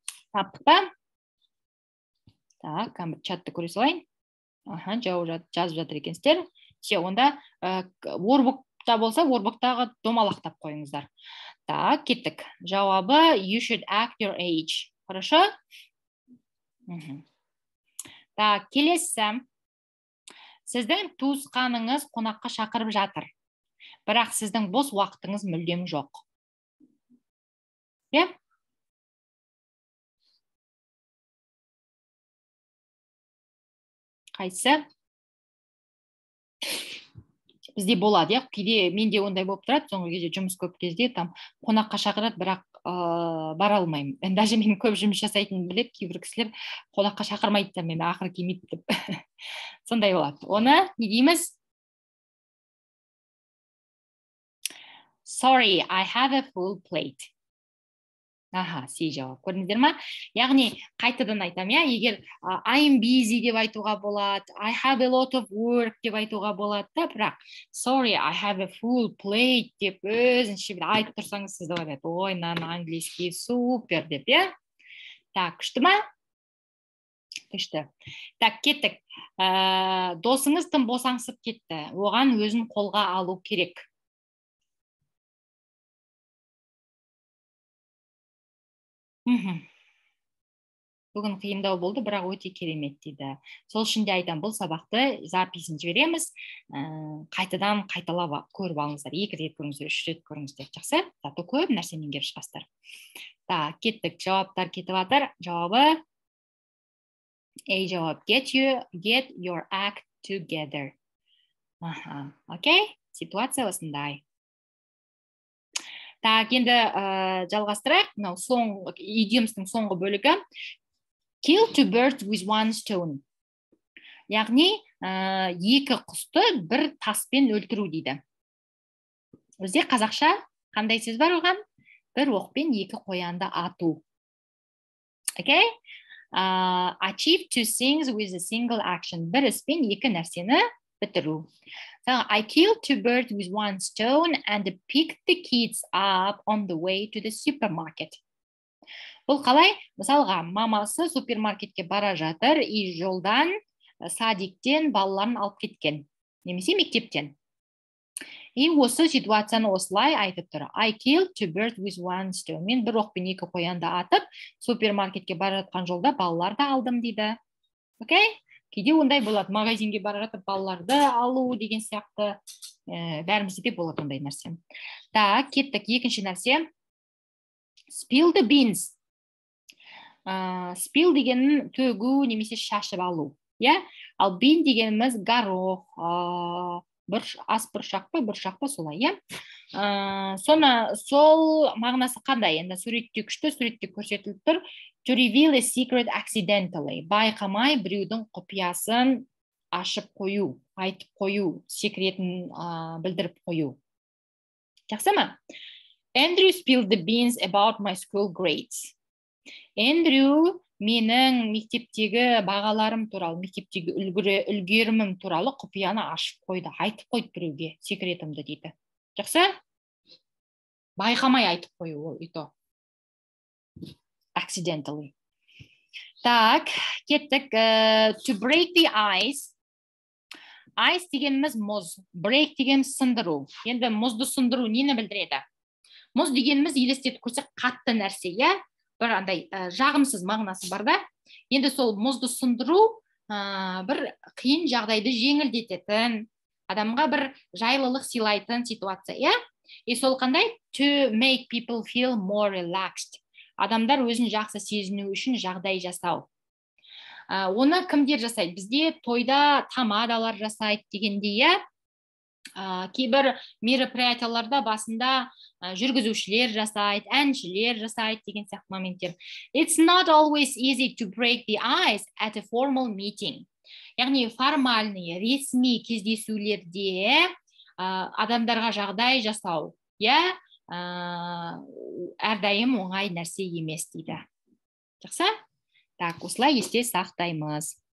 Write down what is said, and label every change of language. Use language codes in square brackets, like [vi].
[kk] Таптықта. Так, чатты көре салайын. Аха, жазып жатыр екенсіздер. Все, онда ворбукта болса, ворбуктағы домалақтап қойыңыздар. Так, кеттік. Жауабы, [en] you should act your age. [ru] Хорошо? [kk] Так, келесі. Сіздің туысқаныңыз қонаққа шақырып жатыр. Бірақ сіздің бос уақытыңыз мүлдем жоқ. [en] Yeah? [kk] Қайсы? Бізде болады, я? Кейде менде ондай болып тұрады, соңғы кезде жұмыс көп кезде, там, қонаққа шақырады, бірақ бара алмаймын. Даже мен көп жұмыс жасайтын біліп, кейбір кісілер қонаққа шақырмайды да мені ақыры келмейді деп. Сондай болады. Оны не дейміз? [en] Sorry, I have a full plate. [kk] Аха, сей жауап. Көрдіңіздер ма? Яғни, қайтадан айтам, я? Егер [en] I'm busy [kk] деп айтуға болады, [en] I have a lot of work [kk] деп айтуға болады, да, бірақ [en] sorry, I have a full plate [kk] деп өзінші бір айтып тұрсаңыз, сізді ойлап, ой, нан, [ru] английский, супер [kk] деп, я? Так, күшті ма? Күшті. Так, кеттік. Досыңыз тым босаңсып кетті. Оған өзін қолға алу керек. Бүгін қиындау болды, бірақ өте керемет дейді. Сол үшін де айтам, бұл сабақты записін жібереміз. Қайтадан қайталап көріп алыңыздар. Екі рет көріңіздер, үш рет көріңіздер. Жақсы, тату көп нәрсе меңгеріп шығасыздар. Так, кеттік, жауаптар кетіп жатыр. Жауабы, A жауап, [en] get your act together. [kk] Аха, окей, ситуация осындай. Так, енді жалғастырайық. Мынау соңғы идеямыздың соңғы бөлігі. [en] Kill two birds with one stone. [kk] Яғни, екі құсты бір таспен өлтіру дейді. Бізде қазақша қандай сөз бар оған? Бір оқпен екі қоянды ату. Окей? [en] Achieve two things with a single action. [kk] Бір іспен екі нәрсені бітіру. [en] So, I killed two birds with one stone and picked the kids up on the way to the supermarket. [kk] Бұл қалай? Мысалға, мамасы супермаркетке бара жатыр и жолдан садиктен балаларын алып кеткен. Немесе мектептен. И осы ситуацияны осылай айтып тұр. [en] I killed two birds with one stone. [kk] Мен бір оқпен екі қоянды атып, супермаркетке бара жатқан жолда балаларды алдым дейді. Окей? Кейде ондай болады, магазинге бара жатып балаларды алу деген сияқты бәрімізде де болады ондай нәрсе. Так, кеттік, екінші нәрсе. [en] Spill the beans. [kk] Spill деген төгу немесе шашып алу. [en] Yeah? [kk] Ал бин дегеніміз горох, ас бұршақпы, бұршақпы солай. [en] Yeah? [kk] Соны сол мағынасы қандай? Енді суретте күшті, суретте көрсетіліп тұр. [en] To reveal a secret accidentally. [kk] Байқамай біреудің құпиясын ашып қою, айтып қою, секретін білдіріп қою. Жақсы ма? [en] Andrew spilled the beans about my school grades. [kk] Andrew менің мектептегі бағаларым туралы, мектептегі үлгерімім туралы құпияны ашып қойды, айтып қойды біреуге секретімді дейді. Жақсы? Байқамай айтып қою ол үйті. Accidentally. Так, кеттік. [en] To break the ice. [kk] Ice дегеніміз мұз. Break дегеніміз сындыру. Енді мұзды сындыру нені білдіреді? Мұз дегеніміз елестет көрсек қатты нәрсе, е? Бір андай жағымсыз мағынасы бар да? Енді сол мұзды сындыру бір қиын жағдайды жеңілдететін, адамға бір жайлылық сыйлайтын ситуация, е? И сол қандай? [en] To make people feel more relaxed. [kk] Адамдар өзін жақсы сезіну үшін жағдай жасау. Оны кімдер жасайды? Бізде тойда тамадалар жасайды дегенде, кейбір мероприятияларда басында жүргізушілер жасайды, әншілер жасайды деген сияқты моменттер. [en] It's not always easy to break the ice at a formal meeting. [kk] Яғни формальные, ресми кездесулерде адамдарға жағдай жасау. Yeah? әрдайым оңай нәрсе емес дейді. Жақсы? Так, осылай есте сақтаймыз.